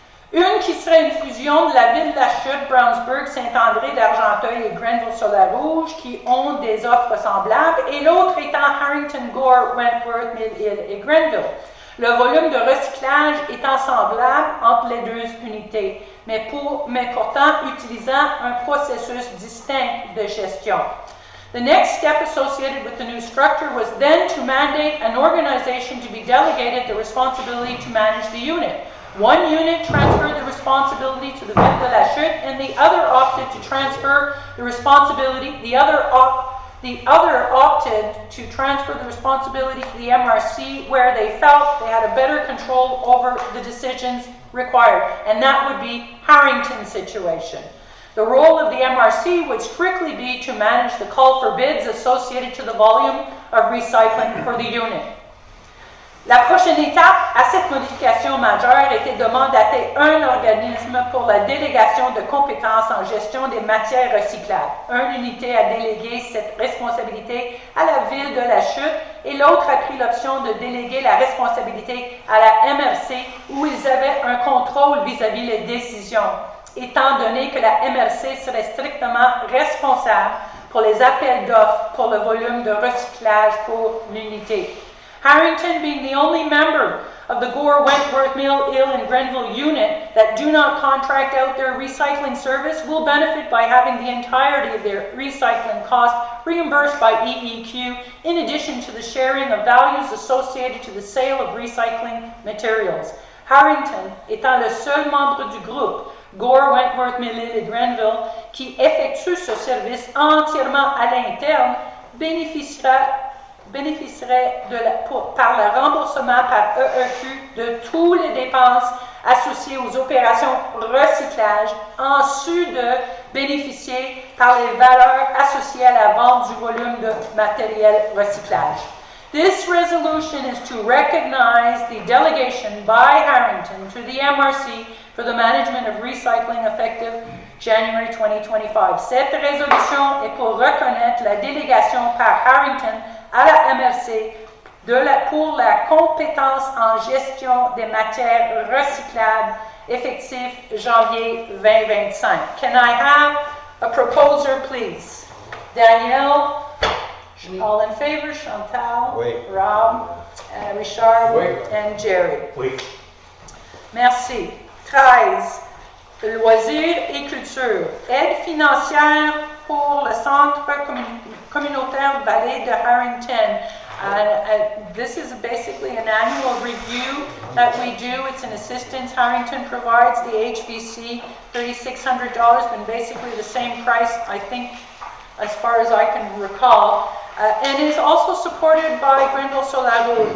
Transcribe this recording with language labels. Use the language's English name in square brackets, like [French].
[French] Une qui serait une fusion de la ville de la Chute, Brownsburg, Saint-André d'Argenteuil et Grenville-sur-la-Rouge qui ont des offres semblables et l'autre étant Harrington, Gore, Wentworth, Mill Hill et Grenville. Le volume de recyclage étant semblable entre les deux unités, mais pourtant utilisant un processus distinct de gestion. [English] The next step associated with the new structure was then to mandate an organization to be delegated the responsibility to manage the unit. One unit transferred the responsibility to the Ville de la Chute, and the other opted to transfer the responsibility, the other opted to transfer the responsibility to the MRC where they felt they had a better control over the decisions required, and that would be Harrington's situation. The role of the MRC would strictly be to manage the call for bids associated to the volume of recycling for the unit. [French] La prochaine étape à cette modification majeure était de mandater un organisme pour la délégation de compétences en gestion des matières recyclables. Une unité a délégué cette responsabilité à la ville de La Chute et l'autre a pris l'option de déléguer la responsabilité à la MRC où ils avaient un contrôle vis-à-vis les décisions, étant donné que la MRC serait strictement responsable pour les appels d'offres pour le volume de recyclage pour l'unité. [English] Harrington being the only member of the Gore, Wentworth, Mill Hill, and Grenville unit that do not contract out their recycling service will benefit by having the entirety of their recycling costs reimbursed by EEQ in addition to the sharing of values associated to the sale of recycling materials. [French] Harrington étant le seul membre du groupe Gore, Wentworth, Mill Hill, et Grenville qui effectue ce service entièrement à l'interne bénéficierait par le remboursement par EEQ de toutes les dépenses associées aux opérations recyclage, en sus de bénéficier par les valeurs associées à la vente du volume de matériel recyclage. [English] This resolution is to recognize the delegation by Harrington to the MRC for the management of recycling effective January 2025. [French] Cette résolution est pour reconnaître la délégation par Harrington à la MRC de la, pour la compétence en gestion des matières recyclables effectif janvier 2025. [English] Can I have a proposer, please? Danielle? [French] Oui. [English] All in favor? Chantal? [French] Oui. [English] Rob? Richard? [French] Oui. [English] And Jerry? [French] Oui. Merci. 13. Loisirs et culture. Aide financière pour le centre communautaire Vallée de Harrington. [English] This is basically an annual review that we do. It's an assistance Harrington provides, the HVC, $3,600, and basically the same price, I think, as far as I can recall. And is also supported by Grenville sur la Rouge.